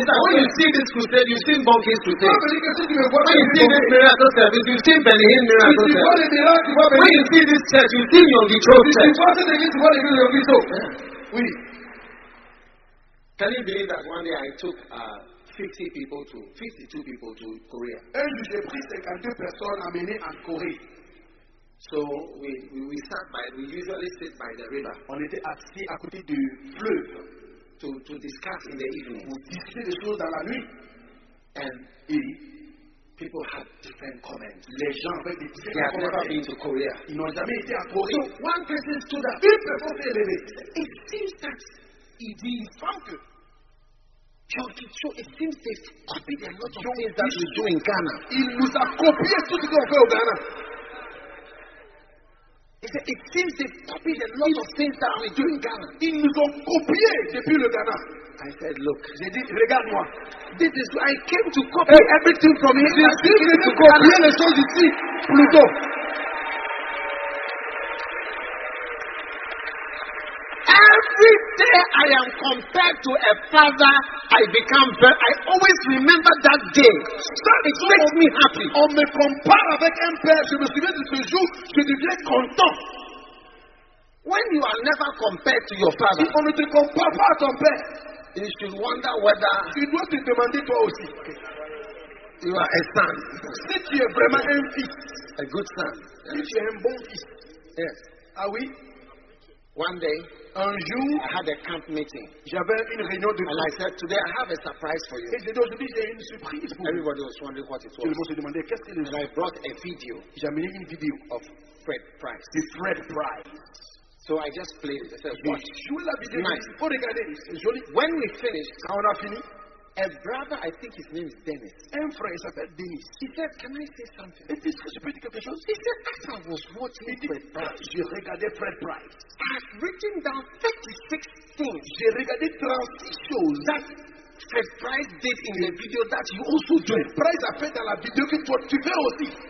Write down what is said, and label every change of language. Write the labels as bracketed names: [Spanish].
[English] when you see this crusade, you've seen Bonkin's crusade. When you see this miracle service, you've seen Benihin miracle service. When you see this church, you've seen Yogi Chow's church. Can you believe that one day I took 52 people to Korea? [French] Un de ces prix, 52 personnes amenées en Corée. [English] So we usually sit by the river. [French] On était assis à côté du fleuve [English] to discuss in the evening. [French] On discutait des choses dans la nuit. [English] And people had different comments. [French] Les gens avaient des différents commentaires. [English] They had never been to Korea. [French] Ils n'ont jamais été à Corée. [English] So one person stood up. [French] Une personne s'est levée. [English] It seems that he didn't want to. It seems they copied a lot of things that we do in Ghana. [French] Il nous a copié tout ce qu'on fait au Ghana. [English] He said, it seems they copied a lot of things that we do in Ghana. [French] Ils nous ont copié depuis le Ghana. [English] I said, look. [French] J'ai dit, regarde-moi. [English] This is why I came to copy everything from here. [French] J'ai dit, je vais copier les choses ici, plutôt. [English] Every day I am compared to a father, I become better. I always remember that day. It makes me happy. [French] On me compare avec un père, je me souviens de ce jour, je deviens content. [English] When you are never compared to your father, [French] on ne te compare pas à ton père. [English] You should wonder whether. [French] Tu dois te demander toi aussi. [English] You are a son. [French] Si tu es vraiment un fils. [English] A good son. [French] Si tu es un bon fils. [English] Yes. [French] Ah oui? [English] One day, [French] un jour, [English] I had a camp meeting. [French] J'avais une réunion de [English] camp. I said, today I have a surprise for you. [French] Et j'ai dit aujourd'hui j'ai une surprise pour vous. [English] Everybody was wondering what it was. [French] Tout le monde se demandait qu'est-ce qu'il [English] est. And I brought a video. [French] J'ai amené une vidéo [English] of Fred Price. The Fred Price. So I just played it. I said, watch. [French] Jouer la vidéo. Nice. Oh, regardez, c'est joli. [English] When we finished, [French] quand on a fini, [English] a brother, I think his name is Dennis. [French] Un frère, il s'appelle Dennis. [English] He said, can I say something? [French] Et puis, je peux dire quelque chose? [English] He said, as I was watching Fred Price, [French] j'ai regardé Fred Price. [English] I've written down 36 things. [French] J'ai regardé 36 choses. [English] That Fred Price did in the video that you also do. [French] Fred Price a fait dans la vidéo que toi tu fais aussi.